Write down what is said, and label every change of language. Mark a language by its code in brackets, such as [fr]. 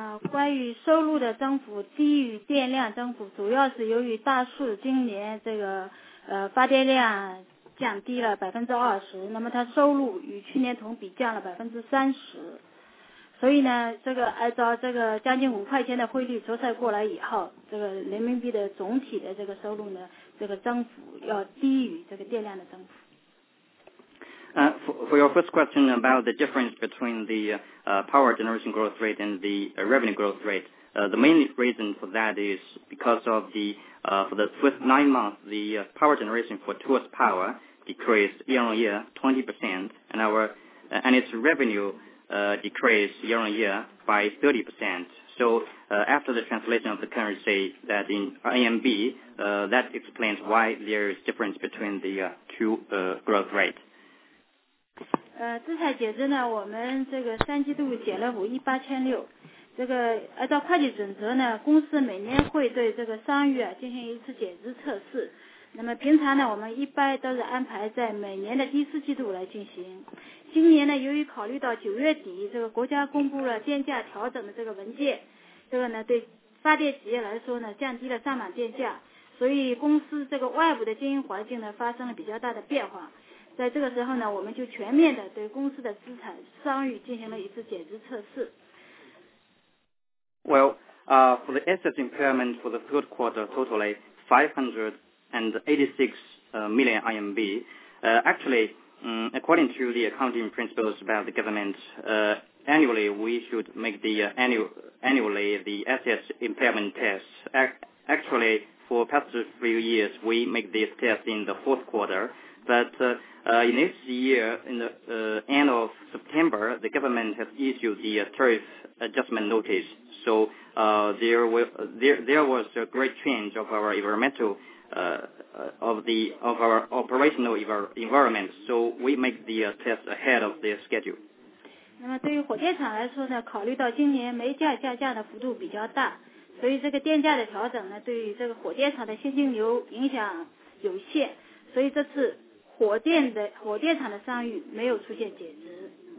[zh] 关于收入的增幅低于电量增幅，主要是由于大树今年这个发电量降低了20%，那么它收入与去年同比降了30%，所以呢，这个按照这个将近5块钱的汇率折算过来以后，这个人民币的总体的这个收入呢，这个增幅要低于这个电量的增幅。 [en] For your first question about the difference between the power generation growth rate and the revenue growth rate, the main reason for that is because of the, for the first 9 months, the power generation for Tuas Power decreased year-on-year 20%, and its revenue decreased year-on-year by 30%. So after the translation of the currency that in RMB, that explains why there is difference between the two growth rates. [zh] 资产减值呢，我们这个三季度减了5.86亿，这个按照会计准则呢，公司每年会对这个商誉啊进行一次减值测试，那么平常呢我们一般都是安排在每年的第四季度来进行，今年呢由于考虑到9月底这个国家公布了电价调整的这个文件，这个呢对发电企业来说呢降低了上网电价，所以公司这个外部的经营环境呢发生了比较大的变化，在这个时候呢，我们就全面的对公司的资产商誉进行了一次减资测试。 [en] Well, for the asset impairment for the third quarter, totally 586 million RMB. According to the accounting principles about the government, annually we should make the annually the asset impairment test. Actually, for past few years, we make this test in the fourth quarter. But in this year, in the end of September, the government has issued the tariff adjustment notice. So there was a great change of our environmental of our operational environment. So we make the test ahead of the schedule. [zh] 那么对于火电厂来说呢，考虑到今年煤价下降的幅度比较大，所以这个电价的调整呢，对于这个火电厂的现金流影响有限，所以这次火电厂的商誉没有出现减值。